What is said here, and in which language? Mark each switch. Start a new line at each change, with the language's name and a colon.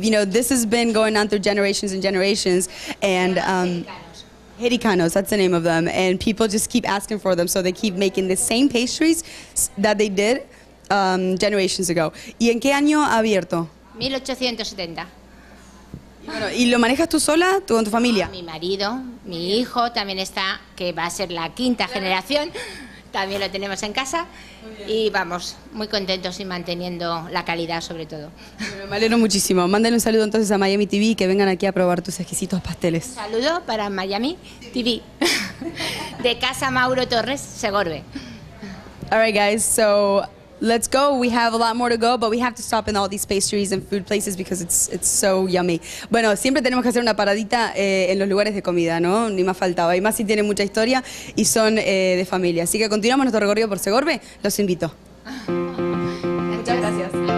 English: This has been going on through generations and generations, and Jericanos, that's the name of them, and people just keep asking for them, so they keep making the same pastries that they did generations ago.
Spanish: ¿Y en qué año ha abierto? 1870. Bueno, ¿y lo manejas tú sola, tú con tu familia? Mi marido, mi hijo también está, que va a ser la quinta generación, también lo tenemos en casa. Y vamos, muy contentos y manteniendo la calidad sobre todo. Bueno, me alegro muchísimo. Mándale un saludo entonces a Miami TV y que vengan aquí a probar tus exquisitos pasteles. Un saludo para Miami TV de Casa Mauro Torres, Segorbe.
English: All right, guys, so let's go. We have a lot more to go, but we have to stop in all these pastries and food places because it's so yummy.
Spanish: Bueno, siempre tenemos que hacer una paradita en los lugares de comida, ¿no? Ni más faltaba. Y más si tienen mucha historia y son de familia. Así que continuamos nuestro recorrido por Segorbe. Los invito. Muchas gracias.